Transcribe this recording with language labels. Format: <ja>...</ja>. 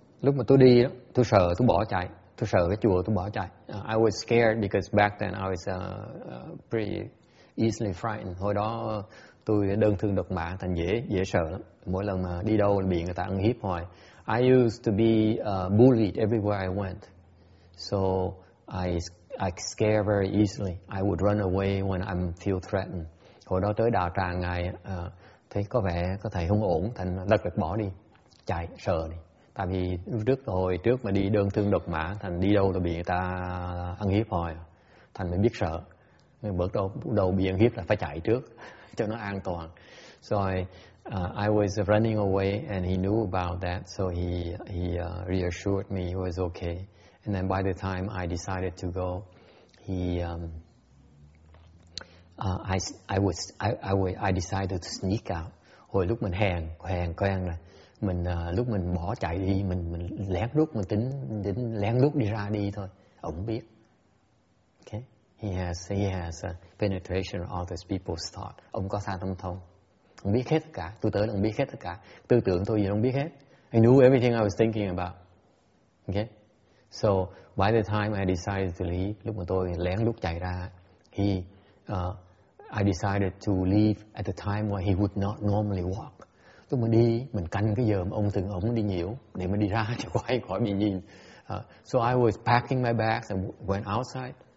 <vi>lúc mà tôi đi, tôi sợ, tôi bỏ chạy, tôi sợ cái chùa, tôi bỏ chạy.</vi> <en>I was scared because back then I was pretty easily frightened.</en> <vi>Hồi đó tôi đơn thương độc mã, thành dễ sợ lắm. Mỗi lần mà đi đâu bị người ta ăn hiếp hoài.</vi> <en>I used to be bullied everywhere I went, so I scare very easily. I would run away when I'm feel threatened.</en> <vi>Hồi đó tới đạo tràng ngài thấy có vẻ có thầy không ổn, thành lật đật bỏ đi, chạy sợ đi. Tại vì trước hồi trước mà đi đơn thương độc mã, thành đi đâu là bị người ta ăn hiếp hoài, thành mới biết sợ. Nên bước đầu bị ăn hiếp là phải chạy trước cho nó an toàn.</vi> <en>Rồi I was running away and he knew about that, so he reassured me he was okay. And then by the time I decided to go, I decided to sneak out.</en> <vi>Hồi lúc mình hèn là mình lúc mình bỏ chạy đi, mình lén rút, mình tính lén rút đi ra đi thôi. Ổng biết. Okay.</vi> <en>He has penetration of all these people's thought.</en> <vi>Ổng có sa tâm thông. Ông biết hết tất cả. Tôi tới là ông biết hết tất cả. Tư tưởng tôi gì ông biết hết.</vi> <en>He knew everything I was thinking about. Okay. So by the time I decided to leave,</en> <vi>lúc mà tôi lén lút chạy ra,</vi> <en>I decided to leave at the time where he would not normally walk.</en> <vi>Tôi mà đi, mình canh cái giờ mà ông từng ổng đi nhiều, để mà đi ra cho quay khỏi bị nhìn.</vi> <en>So I was packing my bags and went outside.</en>